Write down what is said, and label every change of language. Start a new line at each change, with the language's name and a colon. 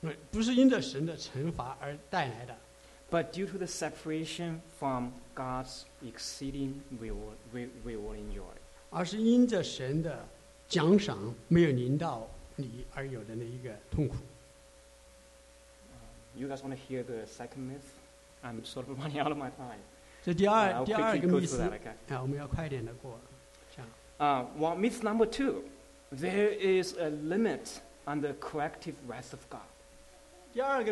Chinese: 不是因着神的惩罚而带来的,
English: but due to the separation from God's exceeding rewarding joy.
Chinese: 而是因着神的奖赏没有临到你而有的那一个痛苦。
English: You guys want to hear the second myth? I'm sort of running out of my time.
Chinese: 这第二个迷思, okay? 我们要快点的过,
English: well, myth number two, there is a limit on the corrective wrath of God.